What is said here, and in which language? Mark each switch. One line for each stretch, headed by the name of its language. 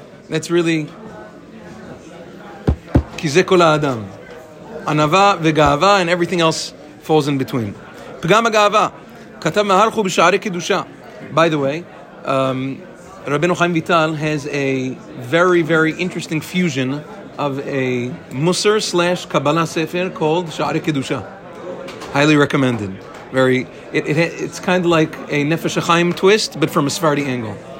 English: That's really,
Hebrew: כי זה כל האדם. ענווה וגאווה,
English: and everything else falls in between.
Hebrew: פגם הגאווה, כתב מהרחו בשערי קדושה.
English: By the way, Rabbeinu Chaim Vital has a very, very interesting fusion of a Musar slash Kabbalah Sefer called Sha'ari Kedusha. Highly recommended. Very, it's kind of like a Nefesh HaChaim twist, but from a Sephardi angle.